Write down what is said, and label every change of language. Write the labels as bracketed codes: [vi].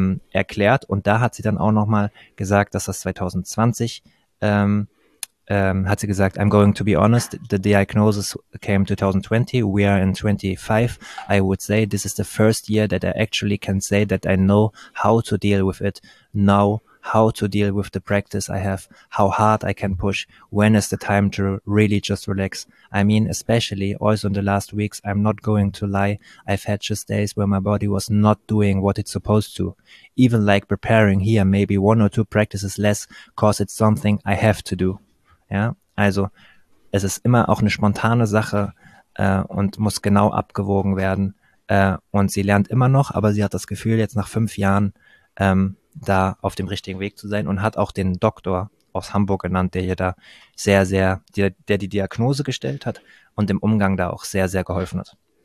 [de] erklärt und da hat sie dann auch nochmal gesagt, dass das 2020 hat sie gesagt, [en] I'm going to be honest, the diagnosis came 2020, we are in 25, I would say this is the first year that I actually can say that I know how to deal with it now, how to deal with the practice I have, how hard I can push, when is the time to really just relax. I mean, especially also in the last weeks, I'm not going to lie, I've had just days where my body was not doing what it's supposed to. Even like preparing here, maybe one or two practices less, cause it's something I have to do. [de] Ja, also es ist immer auch eine spontane Sache und muss genau abgewogen werden. Und sie lernt immer noch, aber sie hat das Gefühl, jetzt nach 5 Jahren da auf dem richtigen Weg zu sein und hat auch den Doktor aus Hamburg genannt, der hier da sehr, sehr, der die Diagnose gestellt hat und dem Umgang da auch sehr, sehr geholfen hat.